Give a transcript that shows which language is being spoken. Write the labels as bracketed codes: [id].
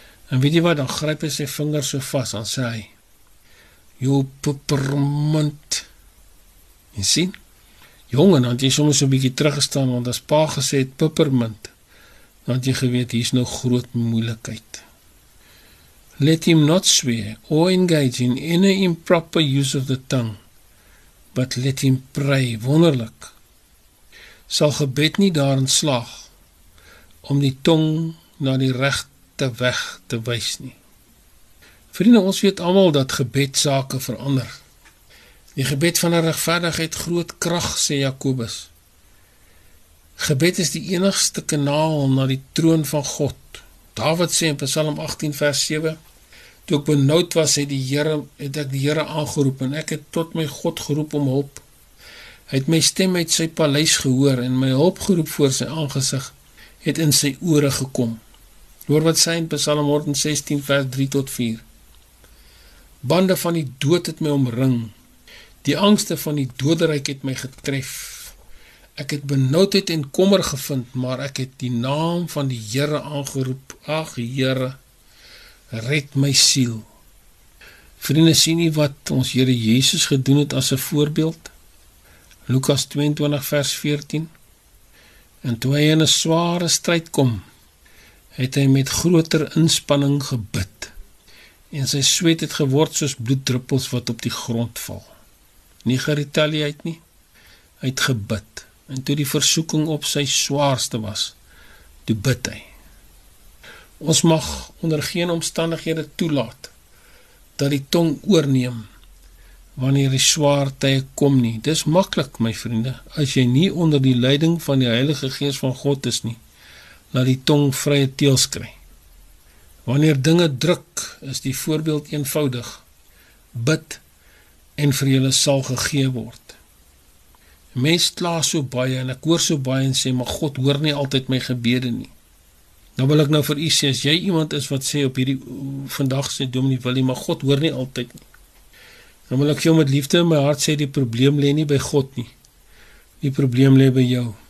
[af] En weet jy wat, dan gryp hy sy vinger so vas, dan sê hy, jou peppermint. En sien, jongen, dan het jy sommer so 'n bietjie teruggestaan, want as pa gesê het peppermint, dan het jy geweet, hier is nou groot moeilikheid. [en] Let him not swear or engage in any improper use of the tongue, but let him pray. [af] Wonderlik, sal gebed nie daarin slaag om die tong na die regte weg te wys nie. Vriende, ons weet almal dat gebed sake verander. Die gebed van 'n regverdige het groot krag, sê Jakobus. Gebed is die enigste kanaal na die troon van God. Dawid sê in Psalm 18 vers 7, toe ek benoud was, het ek die Here aangeroep en ek het tot my God geroep om hulp. Hy het my stem uit sy paleis gehoor en my hulp geroep voor sy aangesig het in sy ore gekom. Hoor wat sê in Psalm 16 vers 3 tot 4. Bande van die dood het my omring. Die angste van die doderyk het my getref. Ek het benoudheid en kommer gevind, maar ek het die naam van die Here aangeroep. Ag Here, red my siel. Vriende, sien jy wat ons Here Jesus gedoen het as 'n voorbeeld? Lukas 22 vers 14. En toe hy in 'n sware stryd kom, het hy met groter inspanning gebid. En sy sweet het geword soos bloeddruppels wat op die grond val. Nie geretaliëerd nie, hy het gebid. En toe die versoeking op sy swaarste was, toe bid hy. Ons mag onder geen omstandighede toelaat dat die tong oorneem wanneer die swaar tye kom nie. Dis maklik, my vriende, as jy nie onder die leiding van die Heilige Gees van God is nie, laat die tong vrye teels kry. Wanneer dinge druk, is die voorbeeld eenvoudig. Bid en vir julle sal gegee word. Mens kla so baie en ek hoor so baie en sê, maar God hoor nie altyd my gebede nie. Dan wil ek nou vir u sê, as jy iemand is wat sê op hierdie vandag sê, Dominee Willie, maar God hoor nie altyd nie. Dan wil ek jou met liefde in my hart sê, die probleem lê nie by God nie. Die probleem lê by jou.